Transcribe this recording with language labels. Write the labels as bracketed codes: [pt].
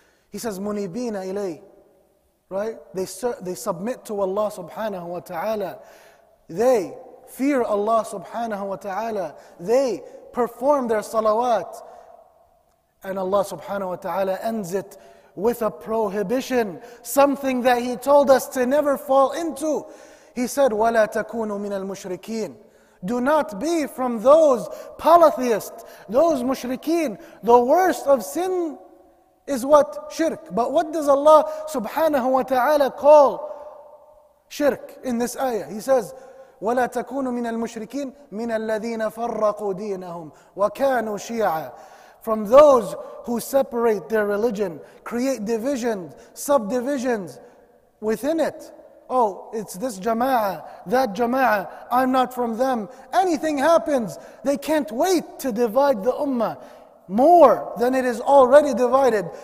[en] He says, [ar] مُنِيبِينَ إِلَيْهِ. [en] Right? They submit to Allah subhanahu wa ta'ala. They fear Allah subhanahu wa ta'ala. They perform their salawat. And Allah subhanahu wa ta'ala ends it with a prohibition, something that he told us to never fall into. He said, [ar] وَلَا تَكُونُوا مِنَ الْمُشْرِكِينَ. [en] Do not be from those polytheists, those mushrikeen. The worst of sin is what? Shirk. But what does Allah subhanahu wa ta'ala call shirk in this ayah? He says, [ar] وَلَا تَكُونُوا مِنَ الْمُشْرِكِينَ مِنَ الَّذِينَ فَرَّقُوا دِينَهُمْ وَكَانُوا شِيَعًا. [en] From those who separate their religion, create divisions, subdivisions within it. Oh, it's this jama'ah, that jama'ah, I'm not from them. Anything happens, they can't wait to divide the ummah more than it is already divided.